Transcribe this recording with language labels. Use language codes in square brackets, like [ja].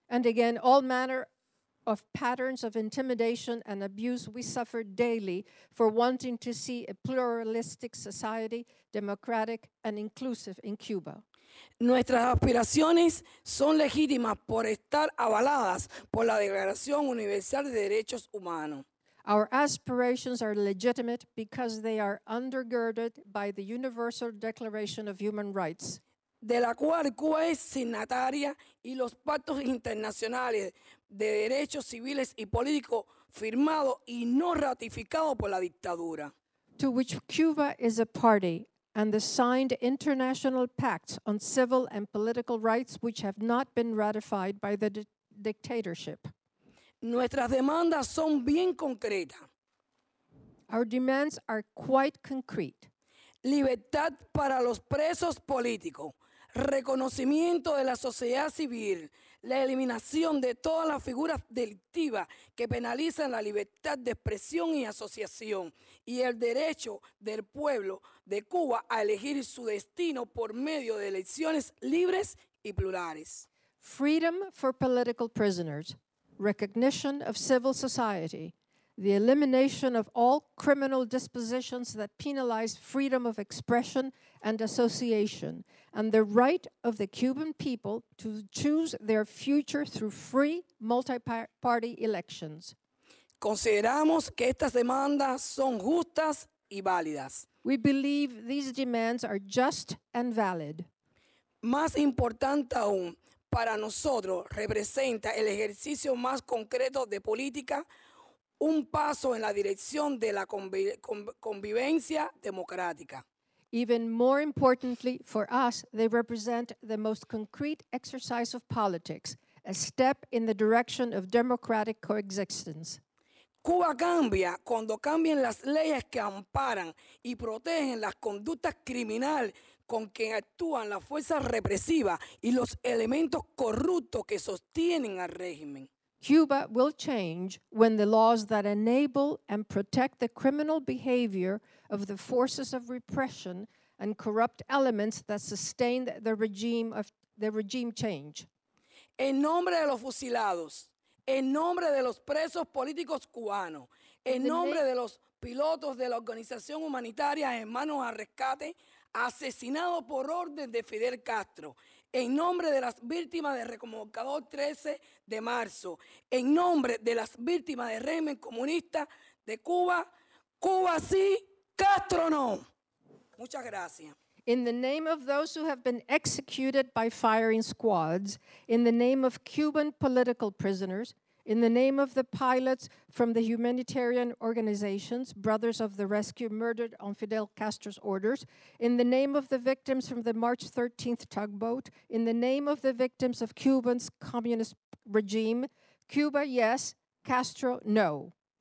[en] And again, all manner of patterns of intimidation and abuse we suffer daily for wanting to see a pluralistic society, democratic and inclusive in Cuba. [es] Nuestras aspiraciones son legítimas por estar avaladas por la Declaración Universal de Derechos Humanos. [en] Our aspirations are legitimate because they are undergirded by the Universal Declaration of Human Rights. [es] De la cual Cuba es signataria y los pactos internacionales de derechos civiles y políticos firmados y no ratificados por la dictadura. [en] To which Cuba is a party. And the signed international pacts on civil and political rights which have not been ratified by the dictatorship. [es] Nuestras demandas son bien concretas. [en] Our demands are quite concrete. [es] Libertad para los presos políticos, reconocimiento de la sociedad civil, la eliminación de todas las figuras delictivas que penalizan la libertad de expresión y asociación, y el derecho del pueblo de Cuba a elegir su destino por medio de elecciones libres y plurales. [en] Freedom for political prisoners, recognition of civil society, the elimination of all criminal dispositions that penalize freedom of expression and association, and the right of the Cuban people to choose their future through free multi-party elections. [es] Consideramos que estas demandas son justas y válidas. [en] We believe these demands are just and valid. [es] Más importante aún, para nosotros representa el ejercicio más concreto de política, un paso en la dirección de la convivencia democrática. [en] Even more importantly for us, they represent the most concrete exercise of politics, a step in the direction of democratic coexistence. [es] Cuba cambia cuando cambian las leyes que amparan y protegen las conductas criminales con que actúan las fuerzas represivas y los elementos corruptos que sostienen al régimen. [en] Cuba will change when the laws that enable and protect the criminal behavior of the forces of repression and corrupt elements that sustain the regime change. [es] En nombre de los fusilados, en nombre de los presos políticos cubanos, en nombre de los pilotos de la organización humanitaria Hermanos al Rescate, asesinados por orden de Fidel Castro, en nombre de las víctimas del Reconvocador 13 de marzo, en nombre de las víctimas del régimen comunista de Cuba, Cuba sí, Castro no. Muchas gracias. [en] In the name of those who have been executed by firing squads, in the name of Cuban political prisoners, in the name of the pilots from the humanitarian organizations, Brothers of the Rescue, murdered on Fidel Castro's orders, in the name of the victims from the March 13th tugboat, in the name of the victims of Cuban's communist regime, Cuba yes, Castro no.